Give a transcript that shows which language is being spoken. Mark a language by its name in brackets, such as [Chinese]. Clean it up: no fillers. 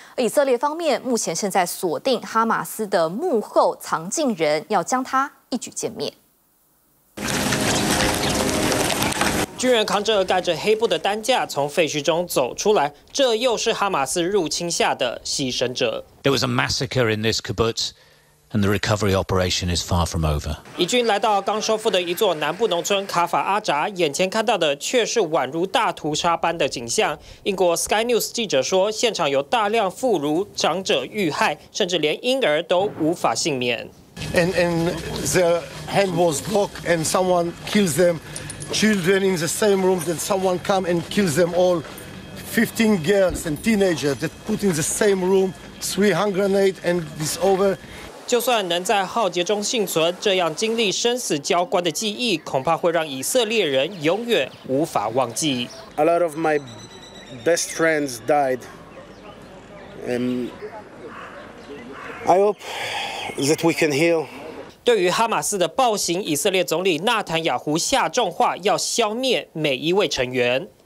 [Chinese] 以色列方面目前现在锁定哈马斯的幕后藏镜人，要将他一举歼灭。军人扛着盖着黑布的担架从废墟中走出来，这又是哈马斯入侵下的牺牲者。 [English] There was a massacre in this kibbutz. And the recovery operation is far from over. [Chinese] 以军来到刚收复的一座南部农村卡法阿扎，眼前看到的却是宛如大屠杀般的景象。英国 Sky News 记者说，现场有大量妇孺、长者遇害，甚至连婴儿都无法幸免。 [English] And the hand was blocked, and someone kills them. Children in the same room, then someone come and kills them all. 15 girls and teenagers that put in the same room, three hand grenade, and it's over. [Chinese] 就算能在浩劫中幸存，这样经历生死交关的记忆，恐怕会让以色列人永远无法忘记。 [English] A lot of my best friends died, and I hope that we can heal. [Chinese] 对于哈马斯的暴行，以色列总理纳坦雅胡下重话，要消灭每一位成员。